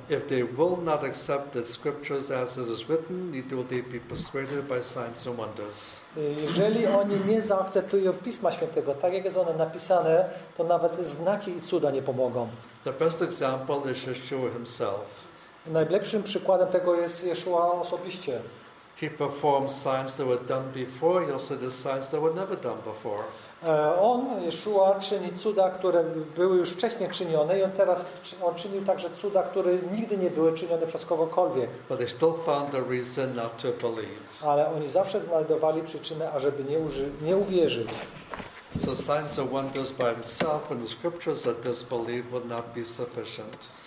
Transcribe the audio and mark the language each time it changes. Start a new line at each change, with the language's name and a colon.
English: If they will not accept the scriptures as it is written, neither will they be persuaded by signs and wonders.
Polish: Jeżeli oni nie zaakceptują Pisma Świętego, tak jak jest one napisane, to nawet znaki i cuda nie pomogą.
English: The best example is Yeshua himself.
Polish: Najlepszym przykładem tego jest Yeshua osobiście.
English: He performed signs that were done before, he also did signs that were never done before.
Polish: On, Yeshua, czyni cuda, które były już wcześniej czynione i on teraz on czynił także cuda, które nigdy nie były czynione przez kogokolwiek.
English: But they still found the reason not to believe.
Polish: Ale oni zawsze znajdowali przyczynę, ażeby nie uwierzyć.
English: So signs and wonders by himself when the scriptures are disbelieved will not be sufficient.